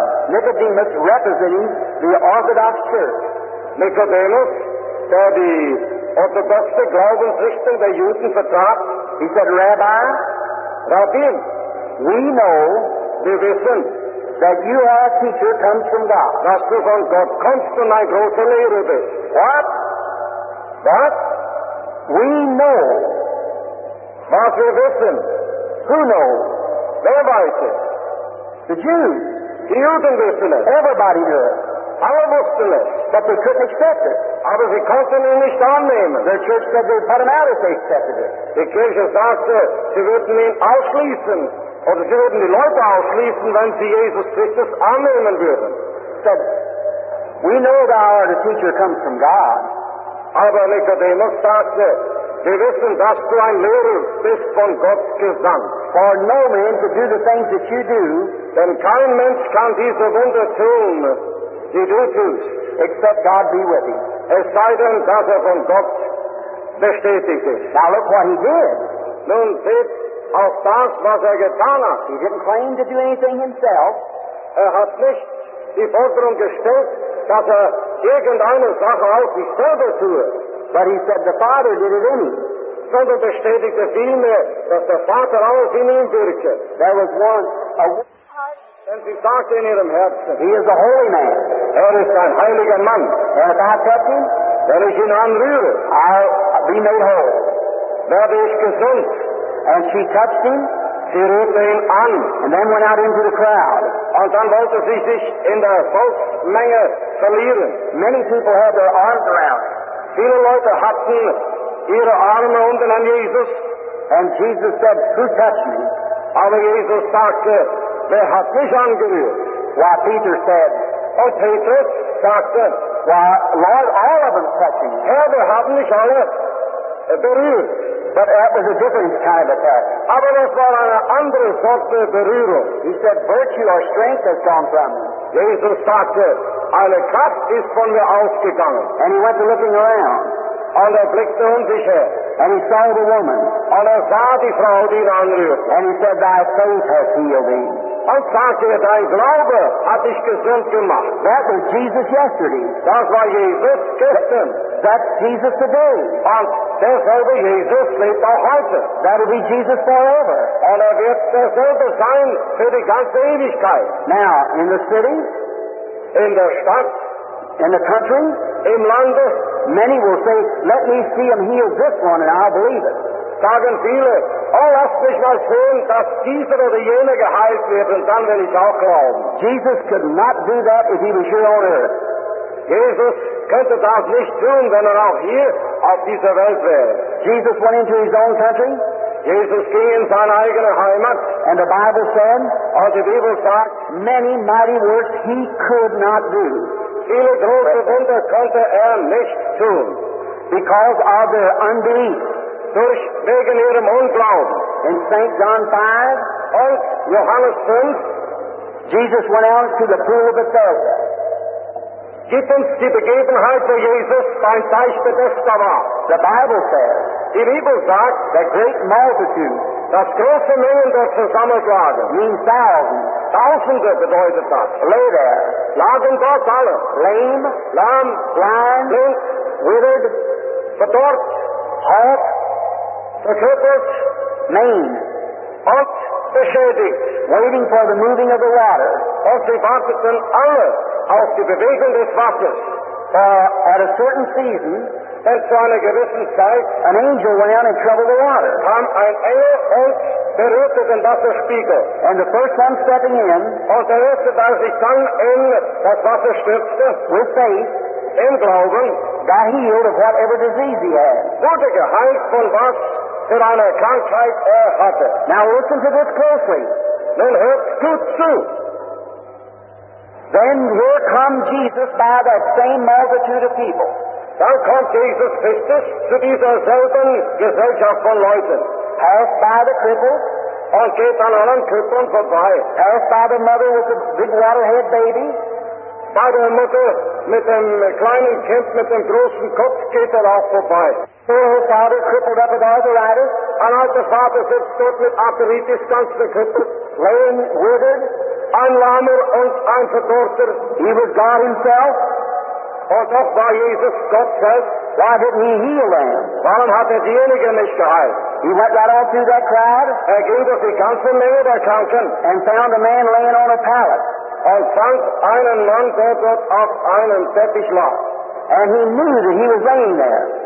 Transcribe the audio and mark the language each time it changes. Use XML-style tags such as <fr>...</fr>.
<en>Nicodemus representing the Orthodox Church.</en> <de>Nicodemus, der die orthodoxe Glaubensrichtung der Juden vertrat,</de> <en>he said, Rabbi,</en> <de>Rabbi,</de> <en>we know,</en> <de>wir wissen,</de> <en>that you are a teacher comes from God.</en> <de>Das du von Gott kommst und ein großer Lehrer bist.</de> <en>What?</en> <de>What?</de> <en>We know.</en> <de>Was wir wissen.</de> <en>Who knows?</en> <de>Wer weiß es?</de> <en>The Jews.</en> <de>Die Juden wissen es.</de> <en>Everybody knew it.</en> <de>Alle wussten es.</de> <en>But they couldn't accept it.</en> <de>Aber sie konnten ihn nicht annehmen.</de> <en>The church said they'd put him out if they accepted it.</en> <de>Die Kirche sagte, sie würden ihn ausschließen. Oder sie würden die Leute ausschließen, wenn sie Jesus Christus annehmen würden.</de> <en>So, we know that our teacher comes from God.</en> <de>Aber Nicodemus sagte, wir wissen, dass du ein Lehrer bist von Gott gesandt.</de> <en>For no man to do the things that you do,</en> <de>denn kein Mensch kann diese Wunder tun, die du tust,</de> <en>except God be with him.</en> <de>Es sei denn, dass von Gott bestätigt ist.</de> <en>Now look what he did.</en> <de>Nun seht, auf das, was getan hat.</de> <en>He didn't claim to do anything himself.</en> <de>Hat nicht die Forderung gestellt, dass irgendeine Sache auf sich selber tue.</de> <en>But he said the Father did it in him.</en> <de>Sondern bestätigte vielmehr, dass der Vater alles in ihm wirkte.</de> <en>There was one, a</en> <de>denn sie sagte in ihrem Herzen,</de> <en>he is a holy man.</en> <de>Ist ein heiliger Mann.</de> <en>And if I touch him,</en> <de>wenn ich ihn anrühre,</de> <en>I'll be made whole.</en> <de>werde ich gesund.</de> <en>And she touched him.</en> <de>Sie rührte ihn an.</de> <en>And then went out into the crowd.</en> <de>Und dann wollte sie sich in der Volksmenge verlieren.</de> <en>Many people had their arms around.</en> <de>Viele Leute hatten ihre Arme unten an Jesus.</de> <en>And Jesus said, who touched me?</en> <de>Aber Jesus sagte, wer hat mich angerührt?</de> <en>Why, Peter said,</en> <de>oh, Peter, sagte,</de> <en>why, Lord, all of them touching.</en> <de>Herr, haben mich alle berührt.</de> <en>But that was a different kind of attack.</en> <de>Aber das war eine andere Sorte Berührung.</de> <en>He said, virtue or strength has gone from me.</en> <de>Jesus sagte, eine Kraft ist von mir ausgegangen.</de> <en>And he went to looking around.</en> <de>Und blickte um sich her.</de> <en>And he saw the woman.</en> <de>Und sah die Frau, die ihn anrührte.</de> <en>And he said, thy faith has healed thee.</en> <de>Und sagte, dein Glaube hat dich gesund gemacht.</de> <en>That was Jesus yesterday.</en> <de>Das war Jesus gestern.</de> <en>That's Jesus today.</en> <de>Und derselbe Jesus lebt auch heute.</de> <en>That'll be Jesus forever.</en> <de>Und wird derselbe sein für die ganze Ewigkeit.</de> <en>Now, in the city,</en> <de>in der Stadt,</de> <en>in the country,</en> <de>im Lande,</de> <en>many will say, let me see him heal this one and I'll believe it.</en> <de>Sagen viele, oh, lass mich mal sehen, dass dieser oder jene geheilt wird, und dann will ich auch glauben.</de> <en>Jesus could not do that if he was here on earth.</en> <de>Jesus könnte das nicht tun, wenn auch hier auf dieser Welt wäre.</de> <en>Jesus went into his own country.</en> <de>Jesus ging in seine eigene Heimat.</de> <en>And the Bible said,</en> <de>und die Bibel sagt,</de> <en>many mighty works he could not do.</en> <de>Viele große Wunder konnte nicht tun.</de> <en>Because of their unbelief.</en> <de>Durch wegen ihrem Unglauben.</de> <en>In St. John 5,</en> <de>und Johannes 5,</de> <en>Jesus went out to the pool of Bethesda.</en> <de>Gibt uns die Begebenheit, wo Jesus beim Teich Bethesda war.</de> <en>The Bible says,</en> <de>die Bibel sagt,</de> <en>the great multitude,</en> <de>das große Mengen der Zusammenlage,</de> <en>means thousands.</en> <de>Tausende bedeutet das.</de> <en>Lay there.</en> <de>Lagen dort alle.</de> <en>Lame.</en> <de>Lamb.</de> <en>Blind.</en> <de>Blind.</de> <en>Withered.</en> <de>Verdorrt.</de> <en>Halt.</en> <de>Verkrüppelt.</de> <en>Lame.</en> <de>Und beschädigt.</de> <en>Waiting for the moving of the water.</en> <de>Und sie warteten alle auf die Bewegung des Wassers.</de> <en>At a certain season, and so on a</en> <de>gewissen Zeit,</de> <en>an angel went out and troubled the water.</en> <de>Kam ein Engel und berührte den Wasserspiegel.</de> <en>And the first one stepping in,</en> <de>und der erste, der sich dann in das Wasser stürzte,</de> <en>with faith,</en> <de>im Glauben,</de> <en>got healed of whatever disease he had.</en> <de>Wurde geheilt von was für eine Krankheit hatte.</de> <en>Now listen to this closely.</en> <de>Nun hört gut zu.</de> <en>Then here come Jesus by that same multitude of people.</en> <de>Dann kommt Jesus Christus zu dieser selben Gesellschaft von Leuten.</de> <en>Passed by the cripple.</en> <de>Und geht an allen Krippeln vorbei.</de> <en>Passed by the mother with the big waterhead baby. By the mother</en> <de>mit dem kleinen Kind mit dem großen Kopf geht auch vorbei.</de> <en>Her father crippled up with arthritis.</en> <de>Und auch der Vater sitzt dort mit arthritis ganz verkrüppelt.</de> <en>Laying withered.</en> <de>Ein Lahmer und ein Verdorrter.</de> <en>He was God himself.</en> <de>Und doch war Jesus Gott selbst.</de> <en>Why didn't he heal them?</en> <de>Warum hat derjenige nicht geheilt?</de> <en>He went right on through that crowd.</en> <de>Er ging durch die ganze Menge der Kranken.</de> <en>And found a man laying on a pallet.</en> <de>Und fand einen Mann, der dort auf einem Teppich lag.</de> <en>And he knew that he was laying there.</en>